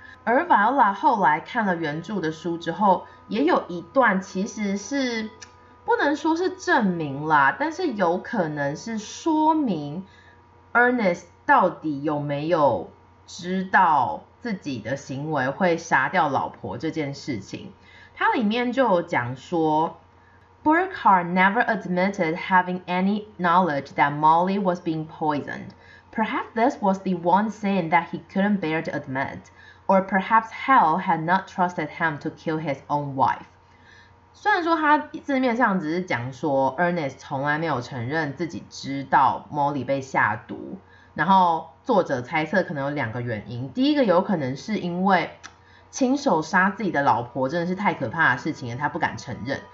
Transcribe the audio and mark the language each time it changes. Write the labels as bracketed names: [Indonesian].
[Chinese] 而 Viola 后来看了原著的书之后，也有一段其实是不能说是证明啦，但是有可能是说明 Ernest 到底有没有知道自己的行为会杀掉老婆这件事情。他里面就讲说 [English] Burkhardt never admitted having any knowledge that Molly was being poisoned. Perhaps this was the one sin that he couldn't bear to admit, or perhaps Hal had not trusted him to kill his own wife. [Chinese] 虽然说他字面上只是讲说 Ernest 从来没有承认自己知道 Molly 被下毒，然后作者猜测可能有两个原因，第一个有可能是因为亲手杀自己的老婆真的是太可怕的事情了，他不敢承认。